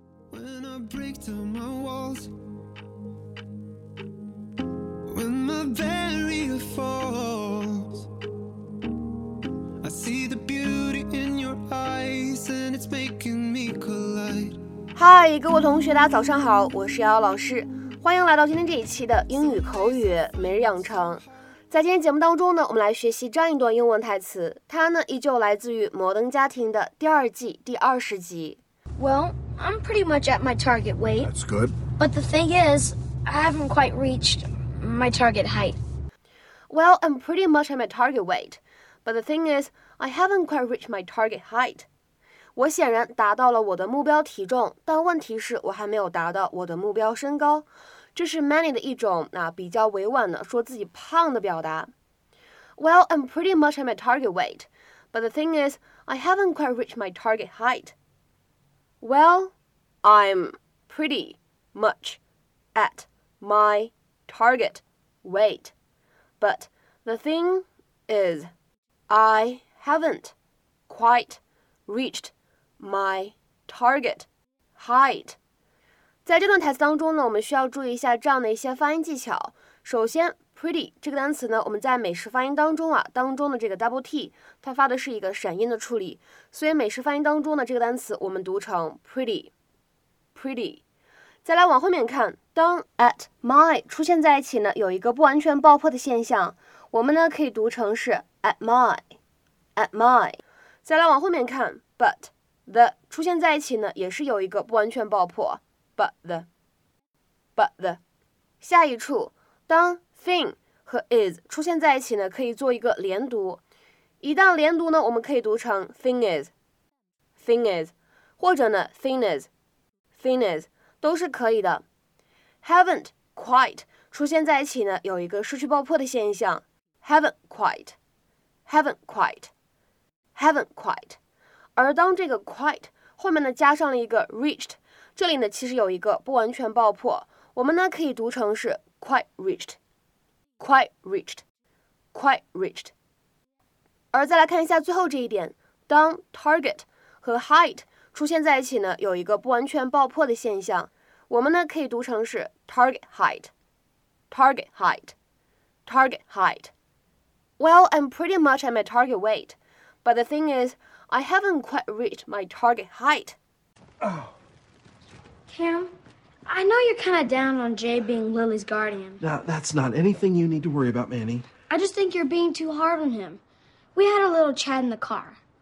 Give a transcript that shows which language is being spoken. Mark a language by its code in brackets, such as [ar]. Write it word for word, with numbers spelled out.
[en] When I break down my walls, when my barrier falls, I see the beauty in your eyes, and it's making me collide. [zh] 嗨，各位同学，大家早上好，我是瑶瑶老师，欢迎来到今天这一期的英语口语每日养成。在今天节目当中呢，我们来学习这样一段英文台词，它呢依旧来自于《摩登家庭》的第二季第二十集。 [en] Well, I'm pretty much at my target weight. That's good. But the thing is, I haven't quite reached my target height. Well, I'm pretty much at my target weight. But the thing is, I haven't quite reached my target height. [zh] 我显然达到了我的目标体重，但问题是我还没有达到我的目标身高。这是 Manny 的一种、啊、比较委婉的说自己胖的表达。 [en] Well, I'm pretty much at my target weight. But the thing is, I haven't quite reached my target height. Well, I'm pretty much at my target weight, but the thing is, I haven't quite reached my target height. [zh] 在这段台词当中呢，我们需要注意一下这样的一些发音技巧。首先 pretty 这个单词呢，我们在美式发音当中啊，当中的这个 double t 它发的是一个闪音的处理，所以美式发音当中的这个单词我们读成 [en] pretty pretty。 [zh] 再来往后面看，当 at my 出现在一起呢，有一个不完全爆破的现象，我们呢可以读成是 [en] at my at my。 [zh] 再来往后面看， but the 出现在一起呢，也是有一个不完全爆破， [en] but the but the。 [zh] 下一处，当thing 和 is 出现在一起呢，可以做一个连读。一旦连读呢，我们可以读成 [en] thing is thing is [zh] 或者呢 thing is thing is 都是可以的。 haven't quite 出现在一起呢，有一个失去爆破的现象， [en] haven't quite haven't quite haven't quite。 [zh] 而当这个 quite 后面呢加上了一个 reached， 这里呢其实有一个不完全爆破，我们呢可以读成是 [en] quite reached quite reached quite reached。 [zh] 而再来看一下最后这一点，当 target 和 height 出现在一起呢，有一个不完全爆破的现象，我们呢可以读成是 [en] target height target height target height。 Well, I'm pretty much at my target weight, but the thing is, I haven't quite reached my target height. Oh. Cam, I know you're kind of down on Jay being Lily's guardian. No, that's not anything you need to worry about, Manny. I just think you're being too hard on him. We had a little chat in the car.